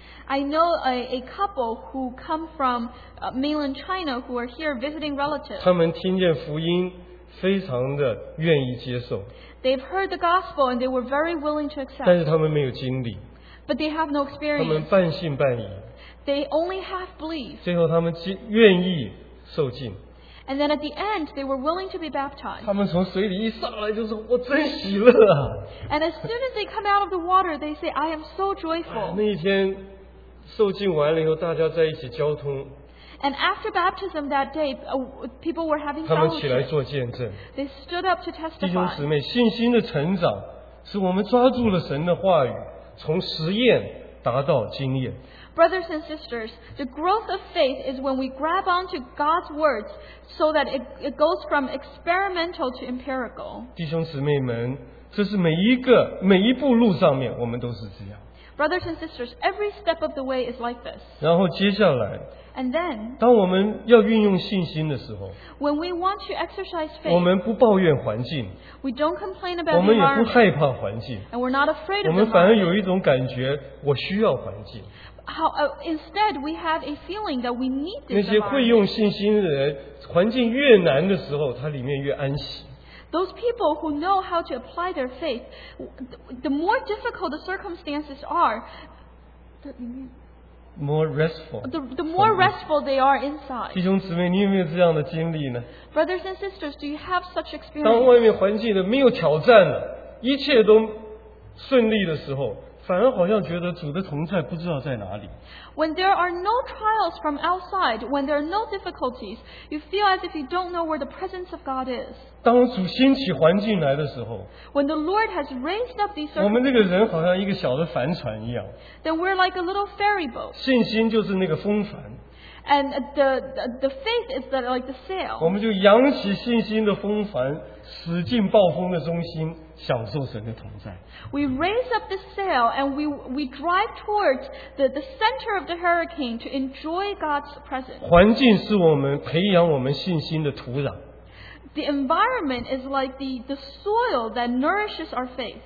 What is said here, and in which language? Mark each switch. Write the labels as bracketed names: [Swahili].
[English] I know a couple who come from mainland China who are here visiting relatives. [Chinese] 他们听见福音, 非常的愿意接受。 [English] They've heard the gospel and they were very willing to accept. [Chinese] 但是他们没有经历, [English] but they have no experience. [Chinese] 他们半信半疑, [English] they only half believe. [Chinese] 最后他们愿意受浸。 [English] And then at the end, they were willing to be baptized. [Chinese] 他们从水里一上来就说, 我真喜乐啊。 [English] And as soon as they come out of the water, they say, I am so joyful. [Chinese] 那一天, 受浸完了以后，大家在一起交通。 [English] And after baptism that day, people were having fellowship. They stood up to testify. [Chinese] 弟兄姊妹，信心的成长，是我们抓住了神的话语，从实验达到经验。 [English] Brothers and sisters, the growth of faith is when we grab onto God's words so that it goes from experimental to empirical. [Chinese] 弟兄姊妹们，这是每一个每一步路上面，我们都是这样。 [English] Brothers and sisters, every step of the way is like this. [Chinese] 然后接下来。 [English] And then, [Chinese] 当我们要运用信心的时候 [English] when we want to exercise faith, [Chinese] 我们不抱怨环境 [English] we don't complain about [Chinese] 我们也不害怕环境 [English] and we're not afraid of [Chinese] 我们反而有一种感觉我需要环境 [English] How, instead we have a feeling that we need this [Chinese] 那些会用信心的人环境越难的时候它里面越安息 [English] those people who know how to apply their faith the more difficult the circumstances are the more restful they are inside. [Chinese] 弟兄姊妹，你有没有这样的经历呢 [English] ？Brothers and sisters, do you have such experience? [Chinese] 当外面环境的没有挑战了，一切都顺利的时候，反而好像觉得主的同在不知道在哪里。 [English] When there are no trials from outside, when there are no difficulties, you feel as if you don't know where the presence of God is. [Chinese] 当主兴起环境来的时候 [English] ，When the Lord has raised up these, [Chinese] 我们这个人好像一个小的帆船一样。 [English] Then we're like a little ferry boat. [Chinese] 信心就是那个风帆。 [English] And the faith is that like the sail. [Chinese] 我们就扬起信心的风帆，驶进暴风的中心。享受神的同在。 [English] We raise up the sail and we drive towards the center of the hurricane to enjoy God's presence. [Chinese] 环境是我们培养我们信心的土壤。 [English] The environment is like the soil that nourishes our faith.